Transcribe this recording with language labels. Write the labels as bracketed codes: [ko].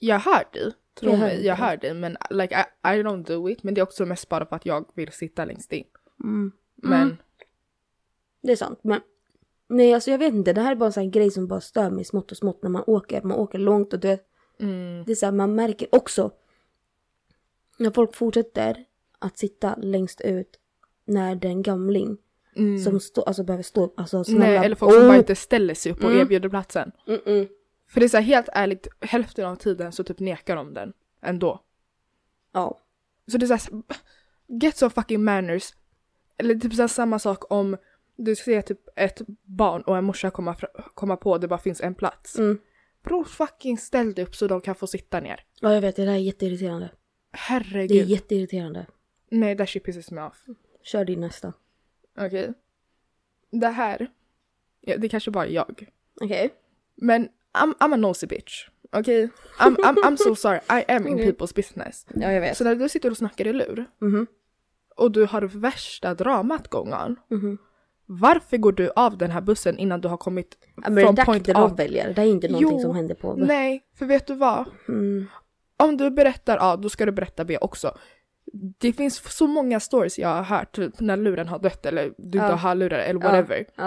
[sv] jag hör dig, men [en] like, I don't do it. [sv] Men det är också mest bara för att jag vill sitta längst in. Men. Det är sant, men. Nej, alltså jag vet inte, det här är bara en sån grej som bara stör mig smått och smått när man åker. Man åker långt och du vet. Mm. Det är så här, man märker också. När folk fortsätter att sitta längst ut när den gamling som behöver stå upp. Alltså, nej, eller folk som bara inte ställer sig upp och erbjuder platsen. Mm-mm. För det är så här, helt ärligt, hälften av tiden så typ nekar de den ändå. Ja. Så det är så här, [en] get some fucking manners. [sv] Eller typ så här, samma sak om du ser typ ett barn och en morsa komma på att det bara finns en plats. Mm. Bro, fucking ställ dig upp så de kan få sitta ner. Ja, jag vet, det där är jätteirriterande. Herregud. Det är jätteirriterande. [en] Nej, that shit pisses me off. [sv] Kör din nästa. Okej. Okay. Det här, ja, det kanske bara är jag. Okej. [en] Okay. Men I'm a nosy bitch. Okej? Okay? I'm so sorry. I am in people's business. [sv] Ja, jag vet. Så när du sitter och snackar i lur. Mm-hmm. och du har värsta dramat gången. Mm-hmm. Varför går du av den här bussen innan du har kommit men från point A? Avväljer. Det är inte någonting som händer på. Nej, för vet du vad? Mm. Om du berättar A, då ska du berätta B också. Det finns så många stories jag har hört typ när luren har dött eller du inte har luren eller whatever.